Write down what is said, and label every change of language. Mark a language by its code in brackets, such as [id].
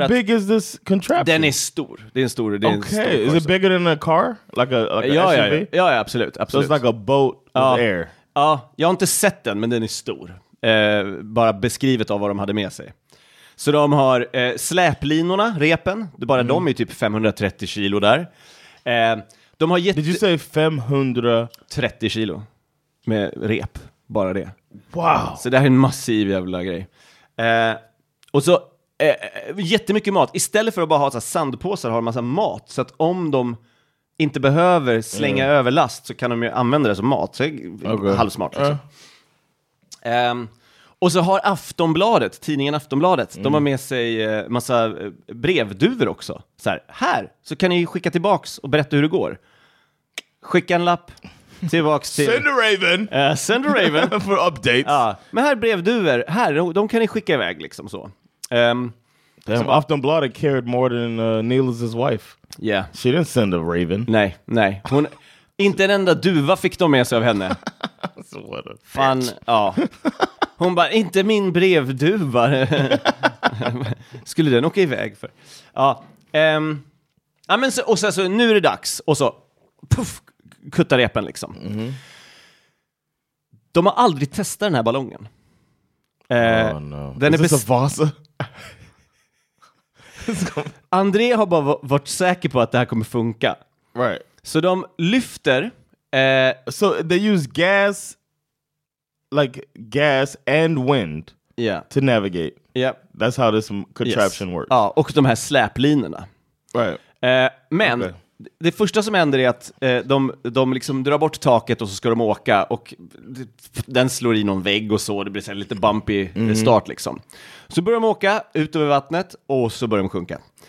[en] how big is this contraption? [sv] Den är stor. Det är en stor. Det är [en] okay. [sv] En stor [en] is it bigger than a car? Like a SUV? [sv] Ja, ja, ja, absolut, absolut. [en] So it's like a boat with air. [sv] Ja, jag har inte sett den, men den är stor. Bara beskrivet av vad de hade med sig. Så de har släplinorna, repen. Det är bara de är typ 530 kilo där. De har [en] Did you say 530 [sv] kilo? Med rep, bara det. [en] Wow! [sv] Så det här är en massiv jävla grej. Och så jättemycket mat. Istället för att bara ha så här sandpåsar har de massa mat. Så att om de inte behöver slänga över last så kan de ju använda det som mat. Så halvsmart liksom. Och så har Aftonbladet, tidningen Aftonbladet, de har med sig massa brevduvor också. Så här, här så kan ni skicka tillbaks och berätta hur det går. Skicka en lapp tillbaks till Cinderaven. Cinderaven för [en] updates. [sv] Ja, men här brevduvor, här de kan ni skicka iväg liksom så. [en] Damn, so, Aftonbladet cared more than Niels's wife. Yeah. She didn't send a raven. [sv] Nej, nej. Hon, inte en enda duva fick de med sig av henne. [en] So what a [sv] fan, ja. Hon bara, inte min brevduva. Skulle den åka iväg för? Ja. Ja men så, och sen så, nu är det dags. Och så, puff, kuttar repen liksom. Mm-hmm. De har aldrig testat den här ballongen. [en] Oh no. [sv] Den [en] is this a Vasa? [sv] André har bara varit säker på att det här kommer funka. [en] Right. [sv] Så de lyfter [en] so they use gas, like gas and wind, yeah, to navigate. Yeah. That's how this contraption yes works. [sv] Ja, och de här släplinorna. [en] Right. [sv] Men okay, det första som händer är att de liksom drar bort taket och så ska de åka och den slår i någon vägg och så, det blir så lite [en] bumpy start [sv] liksom. Så börjar de åka ut över vattnet och så börjar de sjunka.